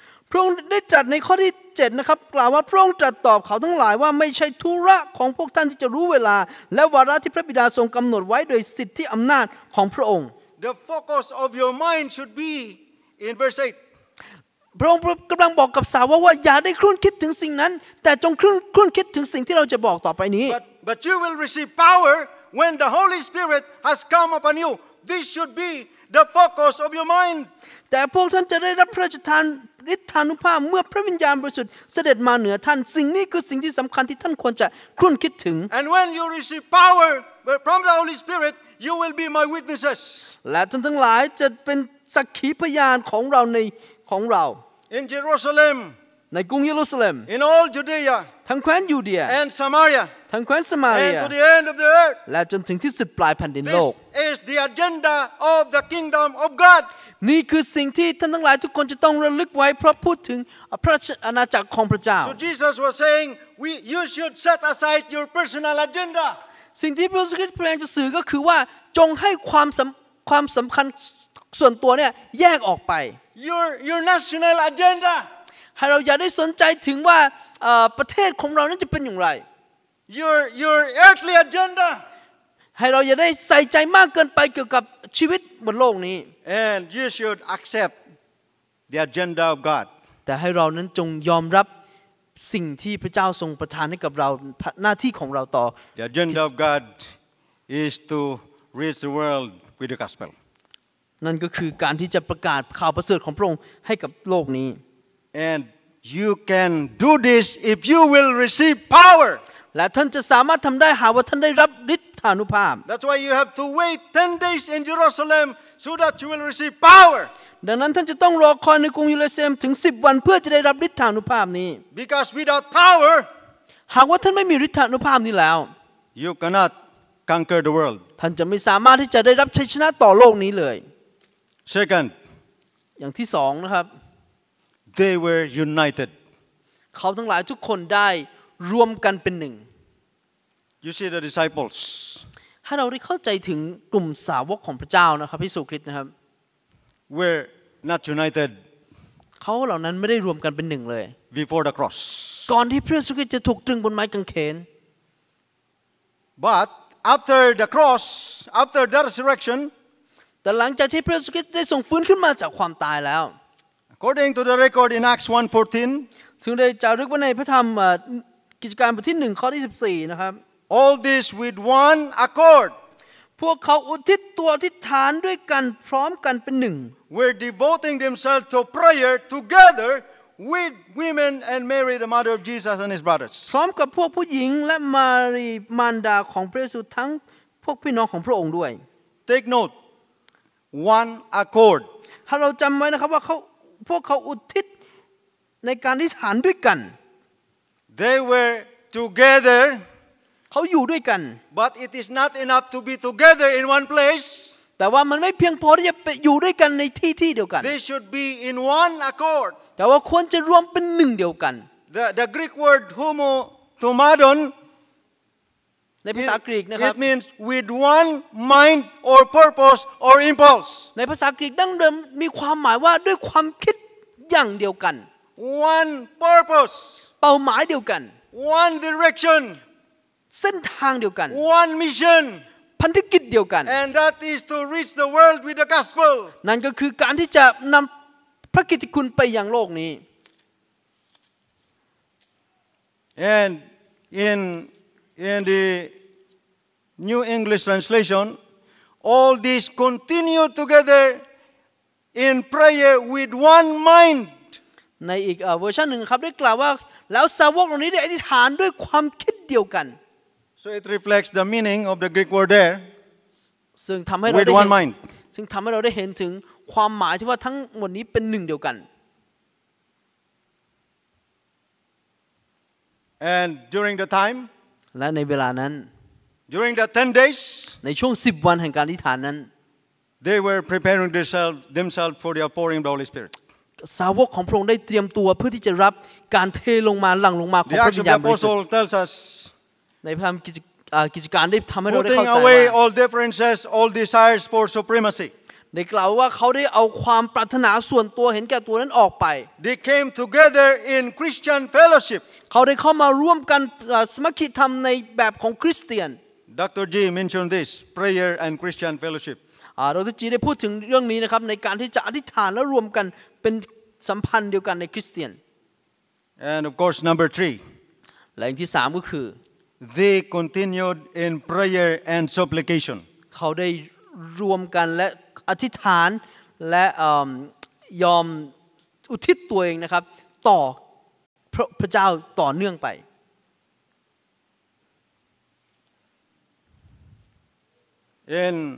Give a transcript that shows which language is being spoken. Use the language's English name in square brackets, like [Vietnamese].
[Thai] พระองค์ได้ตรัสในข้อที่7นะครับกล่าวว่าพระองค์ตรัสตอบเขาทั้งหลายว่าไม่ใช่ธุระของพวกท่านที่จะรู้เวลาและวาระที่พระบิดาทรงกําหนดไว้โดยสิทธิอํานาจของพระองค์ [English] The focus of your mind should be in verse 8 [Thai] พระองค์กำลังบอกกับสาวกว่าอย่าได้ครุ่นคิดถึงสิ่งนั้นแต่จงครุ่นคิดถึงสิ่งที่เราจะบอกต่อไปนี้ [English] But you will receive power when the Holy Spirit has come upon you. This should be the focus of your mind. [Thai] แต่พวกท่านจะได้รับพระราชทานฤทธานุภาพเมื่อพระวิญญาณบริสุทธิ์เสด็จมาเหนือท่านสิ่งนี้คือสิ่งที่สำคัญที่ท่านควรจะครุ่นคิดถึง [English] And when you receive power from the Holy Spirit, you will be my witnesses. [Thai] และท่านทั้งหลายจะเป็น สักขีพยานของเราในของเรา [English] In Jerusalem [Thai] ในกรุงเยรูซาเล็ม [English] In all Judea [Thai] ทั้งแคว้นยูเดีย [English] And Samaria [Thai] ทั้งแคว้นซามาเรีย [English] And to the end of the earth [Thai] และจนถึงที่สุดปลายแผ่นดินโลก [English] This is the agenda of the kingdom of God [Thai] นี่คือสิ่งที่ท่านทั้งหลายทุกคนจะต้องระลึกไว้เพราะพูดถึงพระราชอาณาจักรของพระเจ้า [English] So Jesus was saying you should set aside your personal agenda [Thai] สิ่งที่พระสุคริตพยายามจะสื่อก็คือว่าจงให้ความสำคัญส่วนตัวเนี่ยแยกออกไป [English] your national agenda [Thai] ให้เราอย่าได้สนใจถึงว่าประเทศของเรานั้นจะเป็นอย่างไร [English] your earthly agenda [Thai] ให้เราอย่าได้ใส่ใจมากเกินไปเกี่ยวกับชีวิตบนโลกนี้ [English] and you should accept the agenda of God [Thai] แต่ให้เรานั้นจงยอมรับสิ่งที่พระเจ้าทรงประทานให้กับเราหน้าที่ของเราต่อ [English] The agenda of God is to reach the world with the gospel [Thai] นั่นก็คือการที่จะประกาศข่าวประเสริฐของพระองค์ให้กับโลกนี้ [English] And you can do this if you will receive power [Thai] และท่านจะสามารถทําได้หากว่าท่านได้รับฤทธานุภาพ [English] That's why you have to wait 10 days in Jerusalem so that you will receive power [Thai] ดังนั้นท่านจะต้องรอคอยในกรุงเยรูซาเล็มถึง10วันเพื่อจะได้รับฤทธานุภาพนี้ [English] Because without power [Thai] หากว่าท่านไม่มีฤทธานุภาพนี้แล้ว [English] You cannot conquer the world [Thai] ท่านจะไม่สามารถที่จะได้รับชัยชนะต่อโลกนี้เลย [English] Second [Thai] อย่างที่2นะครับ [English] They were united [Thai] เขาทั้งหลายทุกคนได้รวมกันเป็นหนึ่ง [English] You see the disciples [Thai] ให้เราได้เข้าใจถึงกลุ่มสาวกของพระเจ้านะครับพระเยซูคริสต์นะครับ [English] Were not united. [Thai] เขาเหล่านั้นไม่ได้รวมกันเป็นหนึ่งเลย [English] Before the cross. [Thai] ก่อนที่พระเยซูคริสต์จะถูกตรึงบนไม้กางเขน [English] But after the cross, after the resurrection. [Thai] แต่หลังจากที่พระเยซูคริสต์ได้ทรงฟื้นขึ้นมาจากความตายแล้ว [English] According to the record in Acts 1:14. [Thai] ซึ่งได้จารึกไว้ในพระธรรมกิจการบทที่1ข้อที่14นะครับ [English] All this with one accord. [Thai] พวกเขาอุทิศตัวอธิษฐานด้วยกันพร้อมกันเป็นหนึ่ง [English] We're devoting themselves to prayer together with women and Mary the mother of Jesus and his brothers [Thai] พร้อมกับพวกผู้หญิงและมารีมารดาของพระเยซูทั้งพวกพี่น้องของพระองค์ด้วย [English] Take note one accord [Thai] ถ้าเราจำไว้นะครับว่าพวกเขาอุทิศในการอธิษฐานด้วยกัน [English] They were together [Thai] เขาอยู่ด้วยกัน [English] But it is not enough to be together in one place [Thai] แต่ว่ามันไม่เพียงพอที่จะอยู่ด้วยกันในที่เดียวกัน [English] They should be in one accord [Thai] แต่ว่าควรจะรวมเป็นหนึ่งเดียวกัน [English] The Greek word homotomadon [Thai] ในภาษากรีกนะครับ [English] It means with one mind or purpose or impulse [Thai] ในภาษากรีกดั้งเดิมมีความหมายว่าด้วยความคิดอย่างเดียวกัน [English] One purpose [Thai] เป้าหมายเดียวกัน [English] One direction [Thai] เส้นทางเดียวกัน [English] One mission [Thai] พันธกิจเดียวกัน [English] And that is to reach the world with the gospel [Thai] นั่นก็คือการที่จะนำพระกิตติคุณไปยังโลกนี้ [English] And in the New English Translation all these continue together in prayer with one mind [Thai] ในอีกเวอร์ชันหนึ่งครับได้กล่าวว่าแล้วสาวกเหล่านี้ได้อธิษฐานด้วยความคิดเดียวกัน [English] So it reflects the meaning of the Greek word there. [Thai] ซึ่งทำให้เราได้ [English] with one mind. [Thai] ซึ่งทำให้เราได้เห็นถึงความหมายที่ว่าทั้งหมดนี้เป็นหนึ่งเดียวกัน [English] And during the time. [Thai] และในเวลานั้น [English] During the 10 days. [Thai] ในช่วง10วันแห่งการอธิษฐานนั้น [English] They were preparing themselves for the outpouring of the Holy Spirit. [Thai] สาวกของพระองค์ได้เตรียมตัวเพื่อที่จะรับการเทลงมาหลั่งลงมาของพระวิญญาณบริสุทธิ์ ในทำกิจการได้ทำให้เราได้เข้าใจ [English] Putting away all differences, all desires for supremacy. [Thai] ได้กล่าวว่าเขาได้เอาความปรารถนาส่วนตัวเห็นแก่ตัวนั้นออกไป [English] They came together in Christian fellowship. [Thai] เขาได้เข้ามาร่วมกันสมัครธรรมในแบบของคริสเตียน [English] Dr. G mentioned this prayer and Christian fellowship. [Thai] ดร. จีได้พูดถึงเรื่องนี้นะครับในการที่จะอธิษฐานและรวมกันเป็นสัมพันธ์เดียวกันในคริสเตียน [English] And of course number 3. [Thai] และอย่างที่3ก็คือ [English] They continued in prayer and supplication. [Thai] เขาได้รวมกันและอธิษฐานและยอมอุทิศตัวเองนะครับต่อพระเจ้าต่อเนื่องไป [English] In